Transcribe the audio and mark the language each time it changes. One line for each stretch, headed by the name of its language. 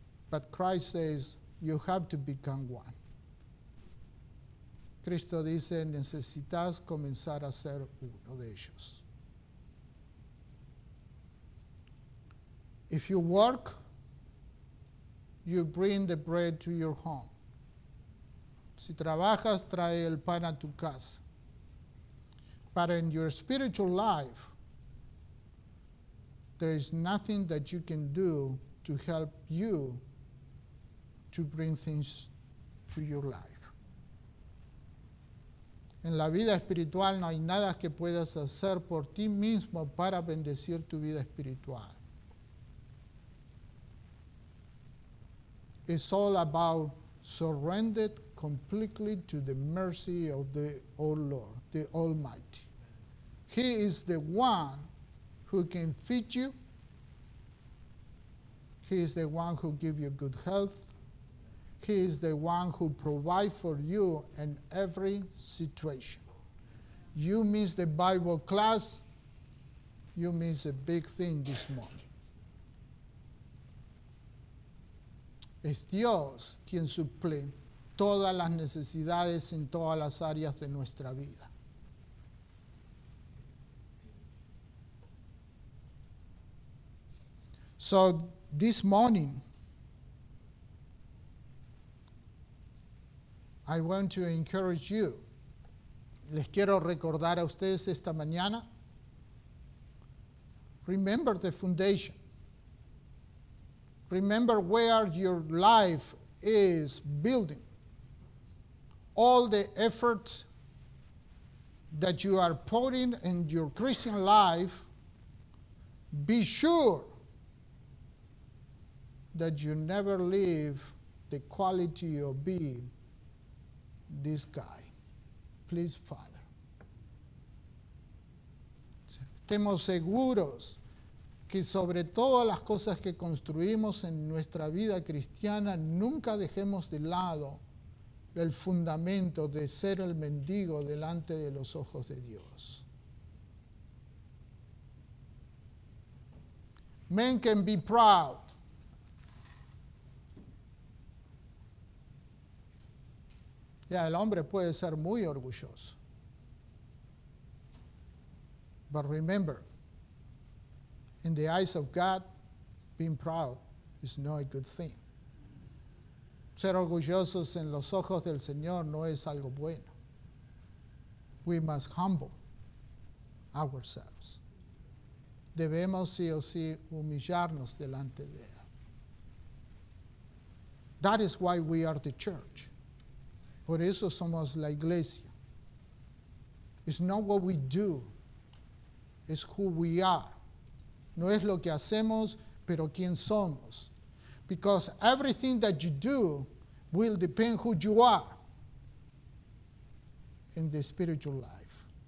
English: But Christ says, you have to become one.
Spanish: Cristo dice, necesitas comenzar a ser uno de ellos.
English: If you work, you bring the bread to your home.
Spanish: Si trabajas, trae el pan a tu casa.
English: But in your spiritual life, there is nothing that you can do to help you to bring things to your life.
Spanish: En la vida espiritual no hay nada que puedas hacer por ti mismo para bendecir tu vida espiritual.
English: It's all about surrendered completely to the mercy of the old Lord, the Almighty. He is the one who can feed you. He is the one who gives you good health. He is the one who provides for you in every situation. You miss the Bible class, you miss a big thing this morning.
Spanish: Es Dios quien suple todas las necesidades en todas las áreas de nuestra vida.
English: So, this morning, I want to encourage you.
Spanish: Les quiero recordar a ustedes esta mañana
English: Remember the foundation. Remember where your life is building. All the efforts that you are putting in your Christian life, be sure that you never leave the quality of being this guy. Please, Father.
Spanish: Estemos seguros que sobre todas las cosas que construimos en nuestra vida cristiana, nunca dejemos de lado el fundamento de ser el mendigo delante de los ojos de Dios.
English: Men can be proud.
Spanish: Ya, el hombre puede ser muy orgulloso.
English: But remember, in the eyes of God, being proud is not a good thing.
Spanish: Ser orgullosos en los ojos del Señor no es algo bueno.
English: We must humble ourselves.
Spanish: Debemos sí o sí humillarnos delante de Él.
English: That is why we are the church.
Spanish: Por eso somos la iglesia.
English: It's not what we do, it's who we are.
Spanish: No es lo que hacemos, pero quién somos.
English: Because everything that you do will depend who you are in the spiritual life.